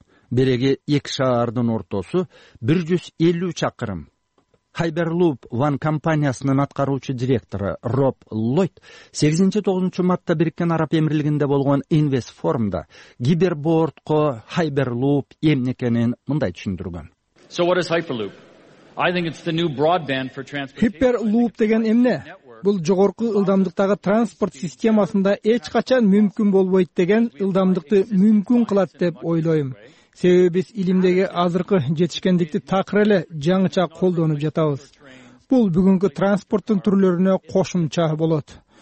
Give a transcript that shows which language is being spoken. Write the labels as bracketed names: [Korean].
[Kyrgyz] Береги эки шаардын ортосу 150 чакырым. Hyperloop One компаниясынын аткаруучу директору Роб Ллойд 8-9 мартта Бириккен Араб Эмирлигинде болгон Invest Forumда гиберборткко Hyperloop эмне экенин мындай түшүндүргөн. [English] So what is Hyperloop? I think it's the new broadband for transport. [Kyrgyz] Hyperloop деген эмне? Бул жогорку ылдамдыктагы транспорт системасында эч качан мүмкүн болбойт деген ылдамдыкты мүмкүн кылат деп ойлойм. Себеби биз илимдеги азыркы жетишкендикти такыр эле жаңыча колдонуп жатабыз. Бул бүгүнкү транспорттун түрлөрүнө кошумча болот.